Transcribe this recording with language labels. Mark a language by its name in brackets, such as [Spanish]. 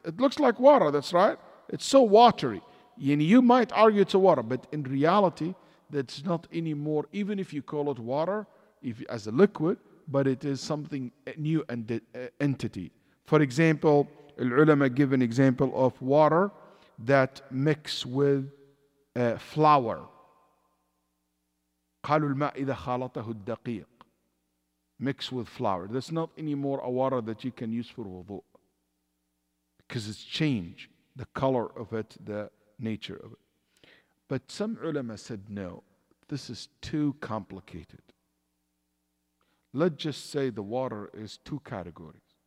[English] It looks like water, that's right. It's so watery. And you might argue it's a water, but in reality, that's not anymore, even if you call it water as a liquid, but it is something new and entity. For example, al-ulama give an example of water that mix with flour. [Arabic] قالوا الماء إذا خالطه الدقيق. [English] Mix with flour. That's not anymore a water that you can use for wudu. Because it's changed the color of it, the nature of it. But some ulama said, no, this is too complicated. Let's just say the water is two categories.